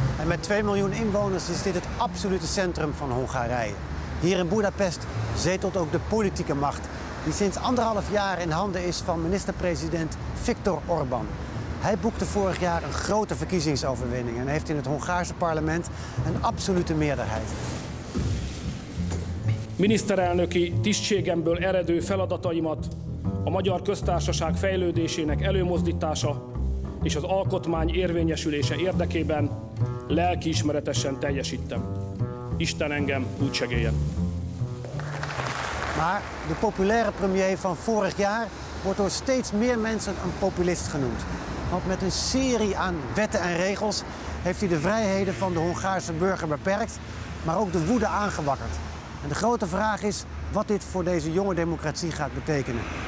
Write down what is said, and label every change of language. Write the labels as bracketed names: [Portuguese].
[Dutch] En met 2 miljoen inwoners is dit het absolute centrum van Hongarije. Hier in Budapest zetelt ook de politieke macht, die sinds anderhalf jaar in handen is van minister-president Viktor Orbán. Hij boekte vorig jaar een grote verkiezingsoverwinning en heeft in het Hongaarse parlement een absolute meerderheid. [Hungarian] Miniszterelnöki tisztségemből eredő feladataimat a magyar köztársaság fejlődésének előmozdítása és az alkotmány érvényesülése érdekében lelkiismeretesen teljesítem. Isten engem úgy segélyen. [Dutch] Maar de populaire premier van vorig jaar wordt door steeds meer mensen een populist genoemd. Want met een serie aan wetten en regels heeft hij de vrijheden van de Hongaarse burger beperkt, maar ook de woede aangewakkerd. En de grote vraag is wat dit voor deze jonge democratie gaat betekenen.